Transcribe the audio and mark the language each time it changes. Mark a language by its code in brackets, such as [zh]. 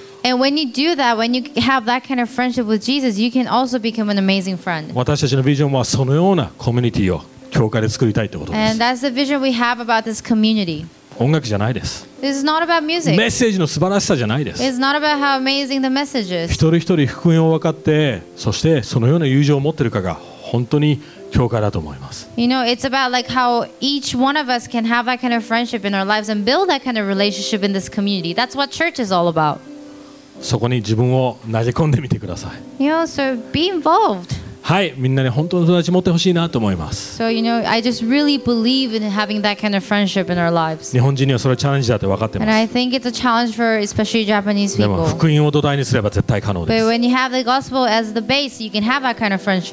[en] And when you do that, when you have that kind of friendship with Jesus, you can also become an amazing friend. [ja] 私たちのビジョンはそのようなコミュニティを教会で作りたいということです。 [en] And that's the vision we have about this community. [ja] 音楽じゃないです。 [en] This is not about music. [ja] メッセージの素晴らしさじゃないです。 [en] It's not about how amazing the message is. [ja] 一人一人福音を分かって、そしてそのような友情を持っているかが本当に教会だと思います。 [en] You know, it's about like how each one of us can have that kind of friendship in our lives and build that kind of relationship in this community. That's what church is all about. [ja] そこに自分を投げ込んでみてください。 [en] You know, so be involved. [ja] はい、みんなに本当の友達持ってほしいなと思います。 [en] So, you know, I just really believe in having that kind of friendship in our lives. [ja] 日本人にはそれはチャレンジだって分かってます。 [en] And I think it's a challenge for especially Japanese people. [ja] でも福音を土台にすれば絶対可能です。 [en] But when you have the gospel as the base, you can have that kind of friendship.